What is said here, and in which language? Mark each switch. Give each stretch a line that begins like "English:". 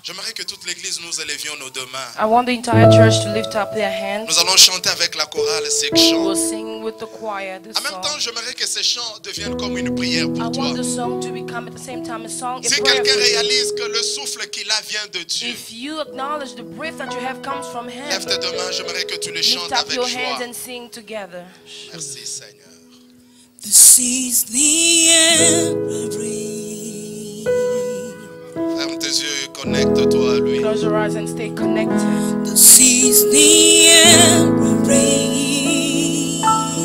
French: J'aimerais que toute l'église nous élevions nos deux mains.
English: I want the entire church to lift up their hands.
French: Nous allons chanter avec la chorale ces chants.
English: We'll sing with the choir this song.
French: En même temps, j'aimerais que ces chants deviennent comme une prière pour toi.
English: I want the song to become at the same time a song.
French: Si quelqu'un réalise que le souffle qu'il a vient de Dieu.
English: If you acknowledge the breath that you have comes from him.
French: Lève tes deux mains, j'aimerais que tu les chantes avec joie.
English: Lift up your hands and sing together.
French: Merci Seigneur.
English: This is the air I breathe.
French: Ferme tes yeux et connecte-toi à lui.
English: Close your eyes and stay connected. This is the air I breathe.